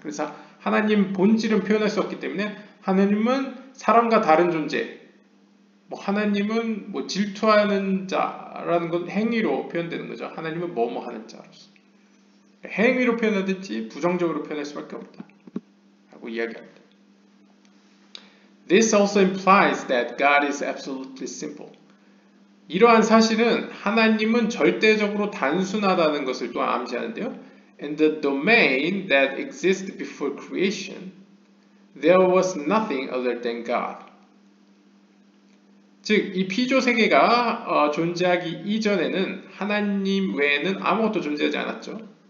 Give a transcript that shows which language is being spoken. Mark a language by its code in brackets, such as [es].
[ko] 그래서 하나님 본질은 표현할 수 없기 때문에 하나님은 사람과 다른 존재, 뭐 하나님은 뭐 질투하는 자라는 건 행위로 표현되는 거죠. 하나님은 뭐뭐 하는 자로서. 행위로 표현하든지 부정적으로 표현할 수밖에 없다. 라고 이야기합니다. [en] This also implies that God is absolutely simple. [ko] 이러한 사실은 하나님은 절대적으로 단순하다는 것을 또 암시하는데요. [en] In the domain that exists before creation, there was nothing other than God. [ko] 즉, 이 피조 세계가 존재하기 이전에는 하나님 외에는 아무것도 존재하지 않았죠.